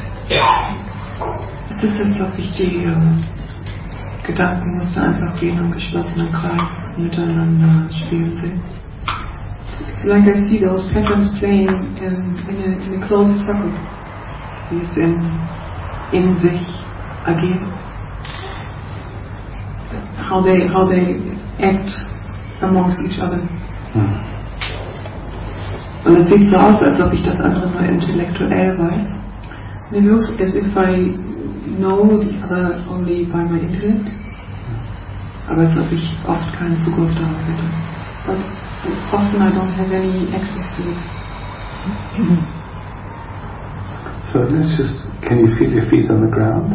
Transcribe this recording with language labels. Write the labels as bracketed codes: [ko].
[de] Es ist, als ob ich die Gedankenmuster einfach wie in einem geschlossenen Kreis miteinander spielen sehe. [en] It's like I see those patterns playing in a closed circle, [de] wie es in sich agiert. [en] How they act amongst each other. Hmm. [de] Und es sieht so aus, als ob ich das andere nur intellektuell weiß. [en] And it looks as if I know the other only by my intellect. [de] Aber als ob ich oft keinen Zugriff darauf hätte. [en] But often I don't have any access to it. So let's just, can you feel your feet on the ground?